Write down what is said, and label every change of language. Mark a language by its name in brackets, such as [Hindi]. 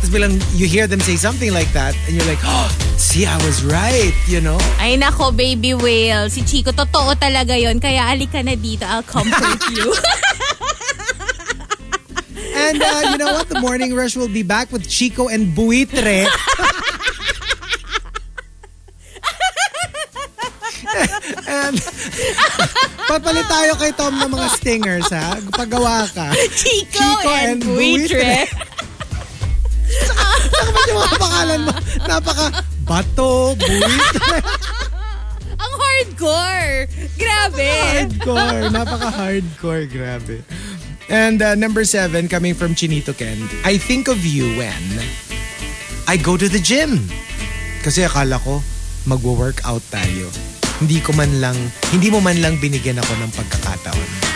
[Filipino] Tapos bilang [English] you hear them say something like that and you're like, oh, see, I was right, you know? [Filipino] Ay nako, baby whale. Si Chico, totoo talaga yon. Kaya alika na dito, [English] I'll comfort you. And you know what? The Morning Rush will be back with Chico and Buitre. [Filipino] And papalit tayo kay Tom ng mga stingers, ha? Pagawa ka. [English] Chico and Buitre. [Filipino] Saka ba yung mga pangalan mo? Napaka bato, Buitre. Ang hardcore. Grabe. Napaka hardcore. Grabe. [English] And number 7, coming from Chinito Ken. I think of you when I go to the gym. [Filipino] Kasi akala ko, magwo-workout tayo. Hindi mo man lang binigyan ako ng pagkakataon.